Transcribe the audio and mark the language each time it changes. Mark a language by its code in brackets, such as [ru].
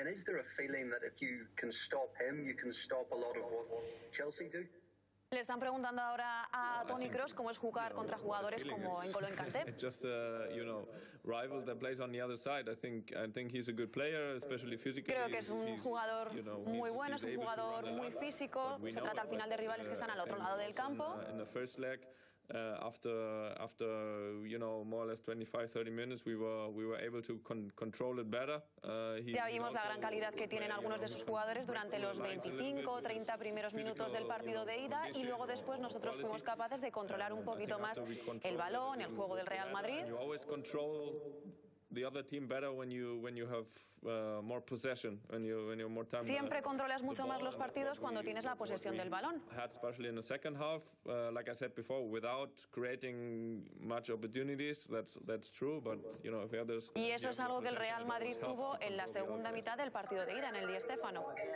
[en] And is there a feeling that if you can stop him, you can stop a lot of what Chelsea do? [es] Le están preguntando ahora a Toni Kroos cómo es jugar contra jugadores como N'Golo Kanté. [en] It's just a rival that plays on the other side. I think he's a good player, especially physically. [es] Creo que es un jugador muy bueno, es un jugador muy físico. Se trata al final de rivales que están al otro lado del campo. [en] In the first leg, after you know, more or less 25-30 minutes, we were able to control it better. [es] Ya vimos la gran calidad que tienen algunos de esos jugadores durante los 25-30 primeros minutos del partido de ida y luego después nosotros fuimos capaces de controlar un poquito más el balón, el juego del Real Madrid. [en] You always control the other team better when you have more possession, when you're more time. [es] Siempre controlas mucho más los partidos cuando tienes la posesión del balón. [en] Had especially in the second half, like I said before, without creating much opportunities, that's true, but you know, if others. [es] Y eso es algo que el Real Madrid tuvo en la segunda mitad del partido de ida en el Di Stéfano.